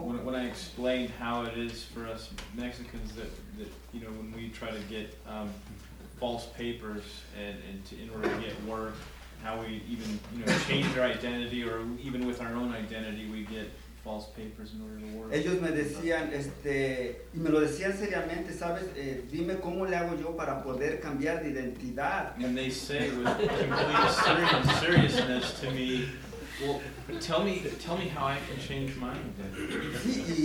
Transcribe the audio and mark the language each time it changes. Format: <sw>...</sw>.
<en>When I explained how it is for us Mexicans that you know, when we try to get false papers in order to get work, how we even, you know, change our identity or even with our own identity we get false papers in order to work.</en> <es>Ellos me decían, y me lo decían seriamente, sabes, dime cómo le hago yo para poder cambiar de identidad.</es> <en>And they say with complete seriousness to me, well, tell me how I can change my identity.</en>